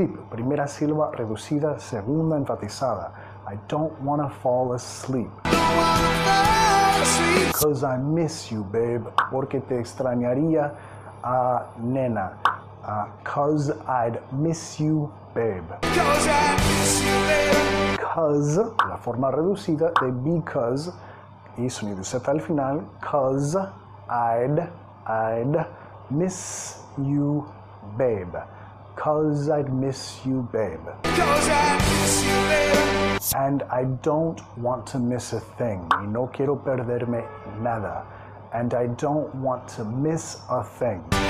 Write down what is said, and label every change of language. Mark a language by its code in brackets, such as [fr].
[es] Primera sílaba reducida, segunda enfatizada. [en] I don't want to fall asleep. Don't wanna fall asleep. Because I miss you, babe. [es] Porque te extrañaría, nena. [en] Cause I'd miss you, babe. Cause I'd miss you, babe. [es] Cause, la forma reducida de because, y sonido Z al final. [en] Cause I'd miss you, babe. Cause I'd miss you, babe. Cause I'd miss you, babe. And I don't want to miss a thing. [es] Y no quiero perderme nada. [en] And I don't want to miss a thing.